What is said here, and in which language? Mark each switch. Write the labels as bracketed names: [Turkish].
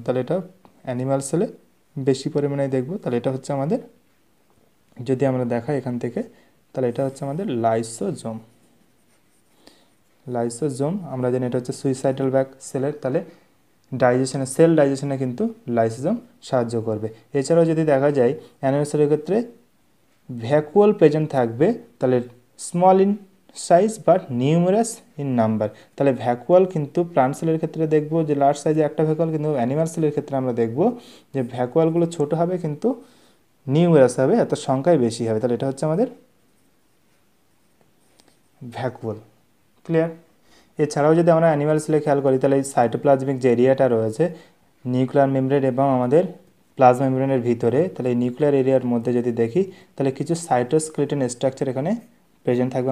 [Bangla] তাহলে এটা অ্যানিমাল সেলে বেশি পরিমাণে দেখবো। তাহলে এটা হচ্ছে আমাদের, যদি আমরা দেখাই এখান থেকে, তাহলে এটা হচ্ছে আমাদের লাইসোজোম। লাইসোজোম আমরা জানি এটা হচ্ছে সুইসাইডাল ব্যাক সেলের, তাহলে ডাইজেশনে সেল ডাইজেশনে কিন্তু লাইসোজোম সাহায্য করবে। এছাড়াও যদি দেখা যায় অ্যানিমাল সেলের ক্ষেত্রে ভ্যাকুয়াল প্রেজেন্ট থাকবে, তাহলে [English] Small in size but numerous in number. [Bangla] তাহলে ভ্যাকুয়াল কিন্তু প্লান্ট সেলের ক্ষেত্রে দেখবো যে লার্জ সাইজে একটা ভ্যাকুয়াল, কিন্তু অ্যানিমাল সেলের ক্ষেত্রে আমরা দেখবো যে ভ্যাকুয়ালগুলো ছোট হবে কিন্তু নিউমেরাস হবে, এত সংখ্যায় বেশি হবে। তাহলে এটা হচ্ছে আমাদের ভ্যাকুয়াল, ক্লিয়ার? এছাড়াও যদি আমরা অ্যানিমাল সেলে খেয়াল করি, তাহলে এই সাইটোপ্লাজমিক যে এরিয়াটা রয়েছে নিউক্লিয়ার মেমব্রেন এবং আমাদের প্লাজমা মেমব্রেনের ভিতরে, তাহলে এই নিউক্লিয়ার এরিয়ার মধ্যে যদি দেখি তাহলে কিছু সাইটোস্কেলেটন স্ট্রাকচার এখানে প্রেজেন্ট থাকবে।